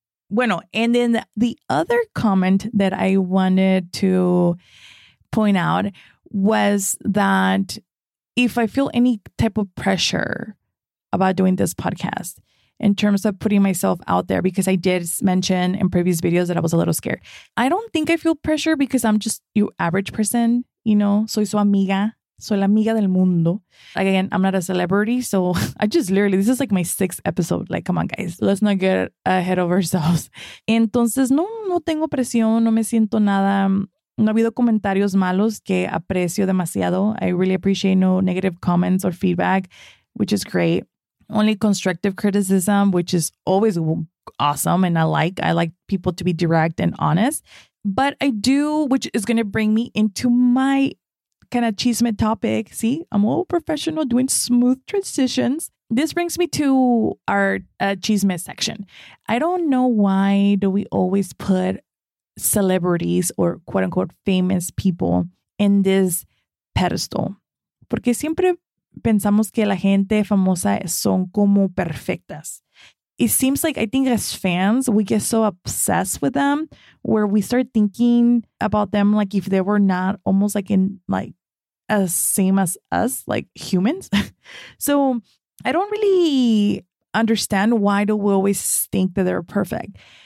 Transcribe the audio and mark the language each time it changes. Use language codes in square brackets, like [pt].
[en] Bueno, and then the other comment that I wanted to point out was that if I feel any type of pressure about doing this podcast in terms of putting myself out there, because I did mention in previous videos that I was a little scared. I don't think I feel pressure because I'm just your average person, you know, [es] soy su amiga, soy la amiga del mundo. [en] Again, I'm not a celebrity. So I just literally, this is like my sixth episode. Like, come on guys, let's not get ahead of ourselves. [es] Entonces, no tengo presión, no me siento nada. No ha habido comentarios malos que aprecio demasiado. [en] I really appreciate no negative comments or feedback, which is great. Only constructive criticism, which is always awesome. And I like people to be direct and honest. But I do, which is going to bring me into my kind of chisme topic. See, I'm all professional doing smooth transitions. This brings me to our chisme section. I don't know why do we always put celebrities or quote unquote famous people in this pedestal. [es] Porque siempre pensamos que la gente famosa son como perfectas. [en] It seems like, I think as fans, we get so obsessed with them where we start thinking about them like if they were not almost like in like as same as us, like humans. So I don't really understand why do we always think that they're perfect.